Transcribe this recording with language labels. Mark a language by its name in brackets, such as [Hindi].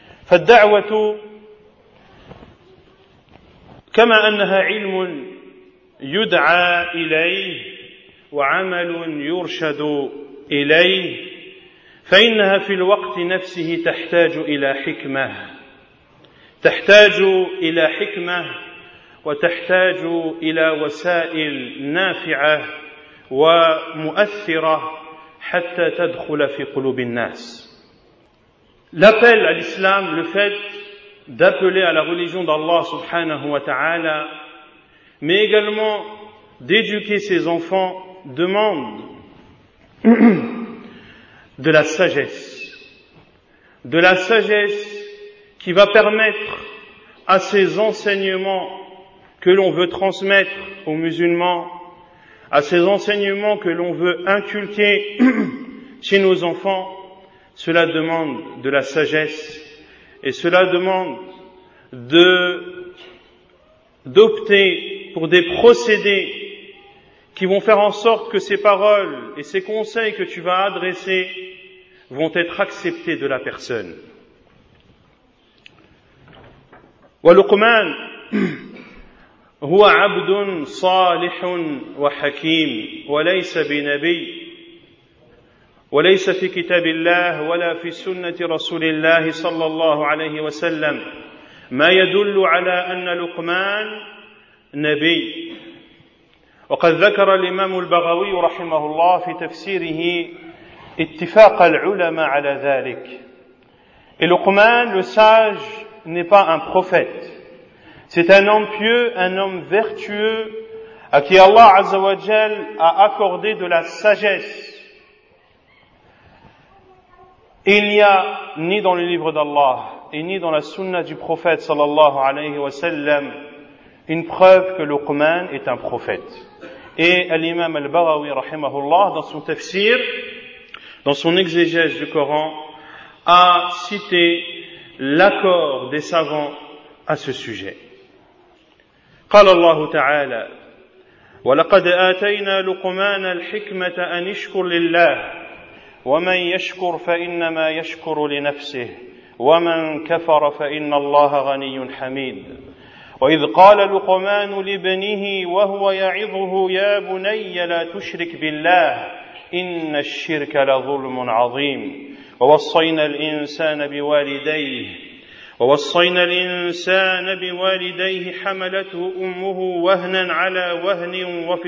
[Arabic] فالدعوة كما أنها علم يدعى إليه وعمل يرشد إليه، فإنها في الوقت نفسه تحتاج إلى حكمة، تحتاج إلى حكمة وتحتاج إلى وسائل نافعة ومؤثرة حتى تدخل في قلوب الناس. [French] L'appel à l'islam, le fait d'appeler à la religion d'Allah subhanahu wa ta'ala, mais également d'éduquer ses enfants, demande de la sagesse. De la sagesse qui va permettre à ces enseignements que l'on veut transmettre aux musulmans, à ces enseignements que l'on veut inculquer chez nos enfants, cela demande de la sagesse et cela demande d'opter pour des procédés qui vont faire en sorte que ces paroles et ces conseils que tu vas adresser vont être acceptés de la personne. [Arabic] Waluqman هو عبد صالح وحكيم وليس بنبي وليس في كتاب الله ولا في سنة رسول الله صلى الله عليه وسلم ما يدل على أن لقمان نبي. وقد ذكر الإمام البغوي رحمه الله في تفسيره اتفاق العلماء على ذلك. [French] لقمان لساج n'est pas un prophète. C'est un homme pieux, un homme vertueux, à qui Allah Azza wa Jal a accordé de la sagesse. Il n'y a ni dans le livre d'Allah, et ni dans la sunna du prophète sallallahu alayhi wa sallam, une preuve que Luqman est un prophète. Et l'imam al-Baghawi rahimahullah, dans son tafsir, dans son exégèse du Coran, a cité l'accord des savants à ce sujet. [Arabic] قال الله تعالى ولقد آتينا لقمان الحكمة أن يشكر لله ومن يشكر فإنما يشكر لنفسه ومن كفر فإن الله غني حميد وإذ قال لقمان لابنه وهو يعظه يا بني لا تشرك بالله إن الشرك لظلم عظيم ووصينا الإنسان بوالديه ووصينا الإنسان بوالديه حملته أمه وهنا على وهن